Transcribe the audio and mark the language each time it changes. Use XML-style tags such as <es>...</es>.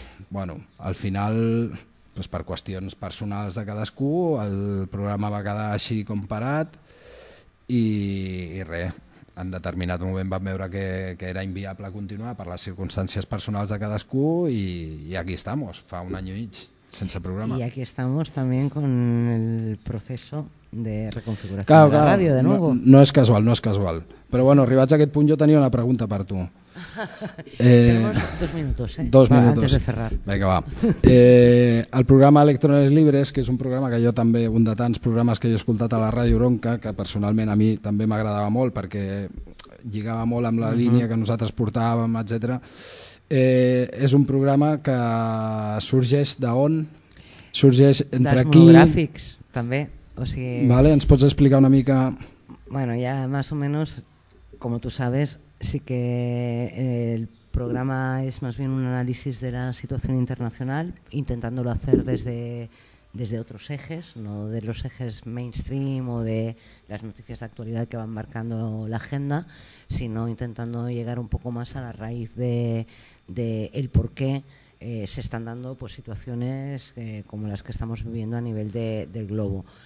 <ca>Bueno, al final, doncs per qüestions personals de cadascú, el programa va quedar així com parat, i res, en determinat moment vam veure que era inviable continuar per les circumstàncies personals de cadascú, i</ca> <es>aquí estamos,</es> <ca>fa un any i mig sense programa.</ca> <es>I aquí estamos también con el proceso de reconfiguración, claro, de la ràdio, claro, de nuevo.</es> <ca>No, no és casual, no és casual. Però bueno, arribats a aquest punt jo tenia una pregunta per tu.</ca> <es>Tenemos dos minutos, va, minutos. Antes de cerrar.</es> <ca>Venga, va. El programa Electrones Libres, que és un programa que jo també, un de tants programes que jo he escoltat a la Ràdio Bronca, que personalment a mi també m'agradava molt perquè lligava molt amb la línia que nosaltres portàvem, etc. És un programa que sorgeix d'on? Sorgeix entre aquí. Dels monogràfics, també. O sigui, vale, ens pots explicar una mica?</ca> <es>Bueno, ja más o menos, como tú sabes, sí que el programa es más bien un análisis de la situación internacional, intentándolo hacer desde otros ejes, no de los ejes mainstream o de las noticias de actualidad que van marcando la agenda, sino intentando llegar un poco más a la raíz de el por qué se están dando pues, situaciones como las que estamos viviendo a nivel del globo.</es>